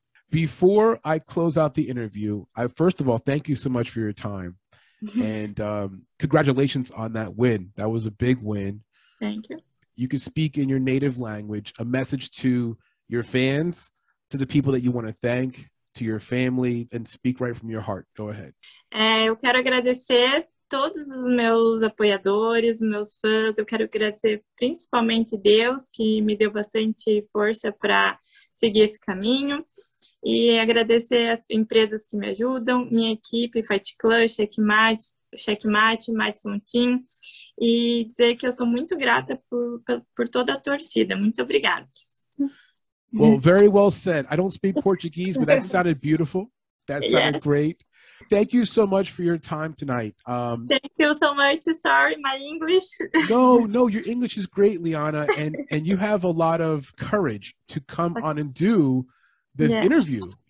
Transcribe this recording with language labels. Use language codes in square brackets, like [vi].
[en] Before I close out the interview, I first of all, thank you so much for your time. And congratulations on that win. That was a big win. Thank you. You can speak in your native language, a message to your fans, to the people that you want to thank, to your family, and speak right from your heart. Go ahead. [pt] Eu quero agradecer todos os meus apoiadores, meus fãs. Eu quero agradecer principalmente Deus, que me deu bastante força para seguir esse caminho. E agradecer as empresas que me ajudam, minha equipe, Fight Club, Checkmate, Checkmate, Madison Team, e dizer que eu sou muito grata por toda a torcida. Muito obrigada. [en] Well, very well said. I don't speak Portuguese, but that sounded beautiful. That sounded great. Thank you so much for your time tonight. Thank you so much. Sorry, my English. No, your English is great, Liana, and you have a lot of courage to come on and do this interview.